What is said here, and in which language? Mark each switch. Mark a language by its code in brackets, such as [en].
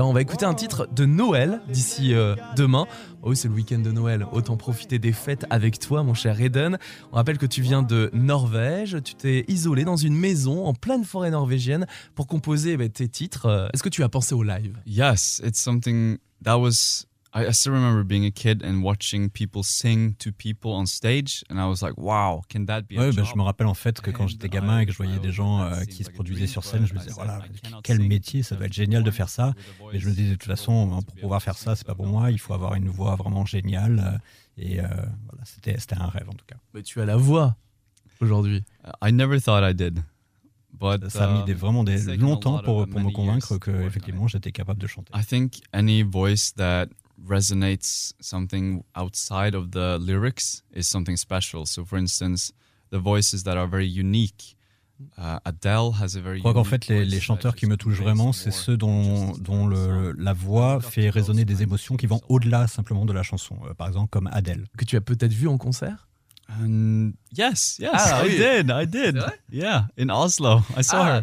[fr] On va écouter un titre de Noël d'ici demain. Oh oui, c'est le week-end de Noël. Autant profiter des fêtes avec toi, mon cher Eden. On rappelle que tu viens de Norvège. Tu t'es isolé dans une maison en pleine forêt norvégienne pour composer tes titres. Est-ce que tu as pensé au live? [en] Yes, it's something that was... I still remember being a kid and watching people sing to people on stage, and I was like, "Wow, can that be?" [fr] Ouais, ben je me rappelle en fait que quand j'étais gamin et que je voyais des gens qui se produisaient sur scène, je me disais, voilà, quel métier, ça doit être génial de faire ça. Mais je me disais de toute façon, pour pouvoir faire ça, c'est pas pour moi. Il faut avoir une voix vraiment géniale, et voilà, c'était un rêve en tout cas. Mais tu as la voix aujourd'hui. [en] I never thought I did. But, [fr] ça a mis vraiment longtemps pour me convaincre que effectivement j'étais capable de chanter. [en] I think any voice that resonates something outside of the lyrics is something special. So for instance, the voices that are very unique. Adele has a very [fr] Je crois qu'en fait les chanteurs qui me touchent vraiment c'est ceux dont la voix fait résonner des émotions qui vont au-delà simplement de la chanson. Par exemple comme Adele. Que tu as peut-être vu en concert. [en] Yes, ah, I did. Yeah, in Oslo, I saw her.